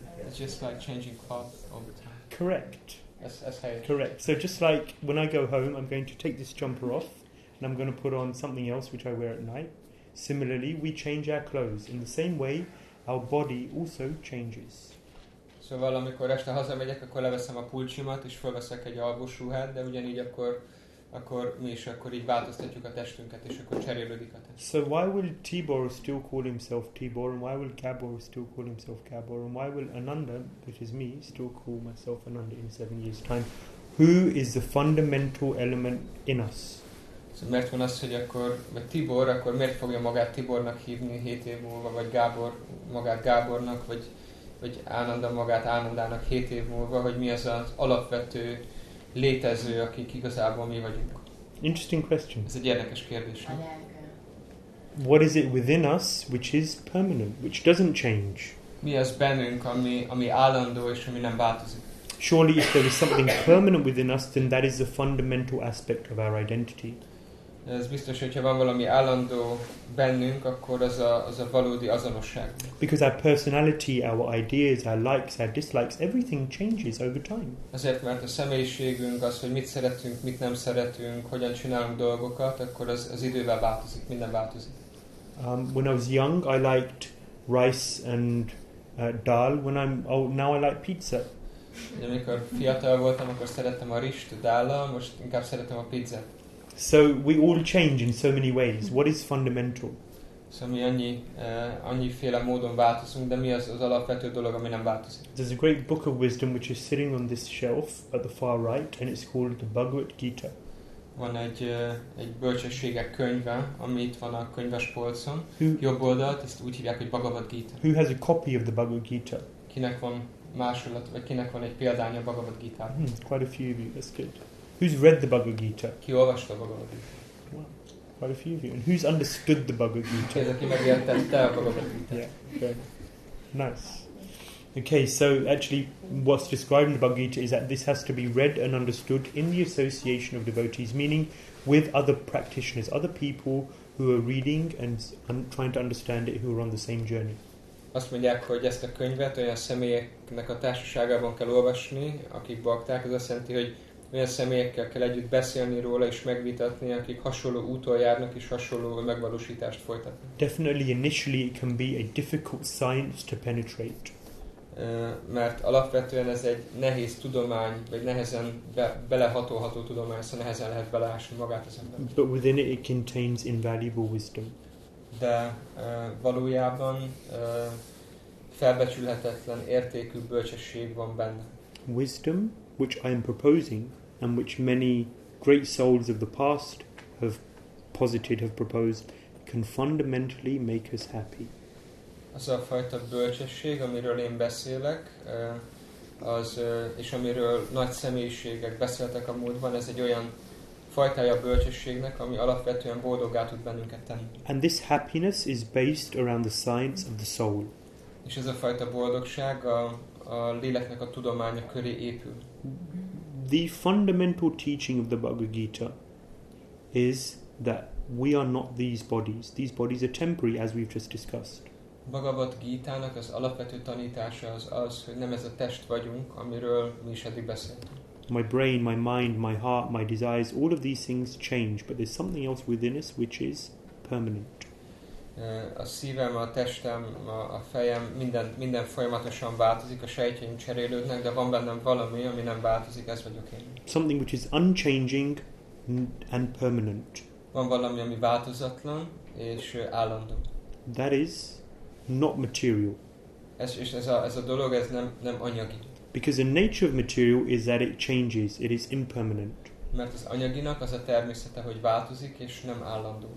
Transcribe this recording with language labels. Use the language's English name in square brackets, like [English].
[English] It's just like changing clothes all the time. Correct. That's how it is. Correct. So just like when I go home, I'm going to take this jumper off and I'm going to put on something else which I wear at night. Similarly, we change our clothes. In the same way, our body also changes. [Hungarian] Szóval, amikor este hazamegyek, akkor leveszem a pulcsimat, és felveszek egy alvós ruhát, de ugyanígy akkor mi is akkor így változtatjuk a testünket, és akkor cserélődik a test. [English] So why will Tibor still call himself Tibor, and why will Gabor still call himself Gabor, and why will Ananda, which is me, still call myself Ananda in 7 years' time? Who is the fundamental element in us? [Hungarian] Szóval miért van az, hogy akkor, vagy Tibor, akkor miért fogja magát Tibornak hívni 7 év múlva, vagy Gábor magát Gábornak, vagy Ananda magát Ánandának 7 év múlva, hogy mi az az alapvető létező, akik igazából mi vagyunk. [English] Interesting question. [Hungarian] Ez egy érdekes kérdés. Nem? [English] What is it within us, which is permanent, which doesn't change? [Hungarian] Mi az bennünk, ami állandó, és ami nem változik? [English] Surely if there is something permanent within us, then that is the fundamental aspect of our identity. [Hungarian] Ez biztos, hogyha van valami állandó bennünk, akkor az a valódi azonosság. [English] Because our personality, our ideas, our likes, our dislikes, everything changes over time. [Hungarian] Azért, mert a személyiségünk, az, hogy mit szeretünk, mit nem szeretünk, hogyan csinálunk dolgokat, akkor az idővel változik, minden változik. [English] When I was young, I liked rice and dal. When I'm old, now I like pizza. [Hungarian] Amikor fiatal voltam, akkor szerettem a rist, a dállal, most inkább szeretem a pizzát. [English] So we all change in so many ways. What is fundamental? [Hungarian] So mi annyiféle módon változunk, de mi az alapvető dolog, ami nem változik? [English] There's a great book of wisdom which is sitting on this shelf at the far right, and it's called the Bhagavad Gita. [Hungarian] Van egy bölcsességek könyve, ami itt van a könyvespolcon, jobb oldalt, ezt úgy hívják, hogy Bhagavad Gita. [English] Who has a copy of the Bhagavad Gita? [Hungarian] Kinek van másolat, vagy kinek van egy példánya a Bhagavad Gita? [English] Quite a few of you, that's good. Who's read the Bhagavad Gita? [Hungarian] Ki olvasta a Bhagavad Gita? [English] Wow. Quite a few of you. And who's understood the Bhagavad Gita? [Hungarian] Ez aki megértette a Bhagavad Gita. [English] Yeah, okay. Nice. Okay, so actually what's described in the Bhagavad Gita is that this has to be read and understood in the association of devotees, meaning with other practitioners, other people who are reading and trying to understand it, who are on the same journey. [Hungarian] Azt mondják, hogy ezt a könyvet olyan személyeknek a társaságában kell olvasni, akik bhakták, ez azt jelenti, hogy olyan személyekkel kell együtt beszélni róla és megvitatni, akik hasonló úton járnak és hasonló megvalósítást folytatnak. [English] Definitely initially it can be a difficult science to penetrate. [Hungarian] Mert alapvetően ez egy nehéz tudomány, vagy nehezen beleható tudomány, szóval nehezen lehet beleásni magát az ember. [English] But within it contains invaluable wisdom. [Hungarian] De valójában felbecsülhetetlen értékű bölcsesség van benne. [English] Wisdom, which I am proposing, and which many great souls of the past have proposed, can fundamentally make us happy. [Hungarian] Az a fajta bölcsesség, amiről én beszélek, az, és amiről nagy személyiségek beszéltek a múltban, ez egy olyan fajtája a bölcsességnek, ami alapvetően boldoggá tud bennünket tenni. [English] And this happiness is based around the science of the soul. [Hungarian] És ez a fajta boldogság a léleknek a tudománya köré épül. [English] The fundamental teaching of the Bhagavad Gita is that we are not these bodies. These bodies are temporary, as we've just discussed. [Hungarian] Bhagavad Gita-nak az alapvető tanítása az, hogy nem ez a test vagyunk, amiről mi is eddig beszéltünk. [English] My brain, my mind, my heart, my desires, all of these things change, but there's something else within us which is permanent. [Hungarian] A szívem, a testem, a fejem, minden folyamatosan változik, a sejtjeim cserélődnek, de van bennem valami, ami nem változik, ez vagyok én. [English] Something which is unchanging and permanent. [Hungarian] Van valami, ami változatlan és állandó. [English] That is not material. [Hungarian] Ez a dolog, ez nem anyagi. [English] Because the nature of material is that it changes, it is impermanent. [Hungarian] Mert az anyaginak az a természete, hogy változik és nem állandó.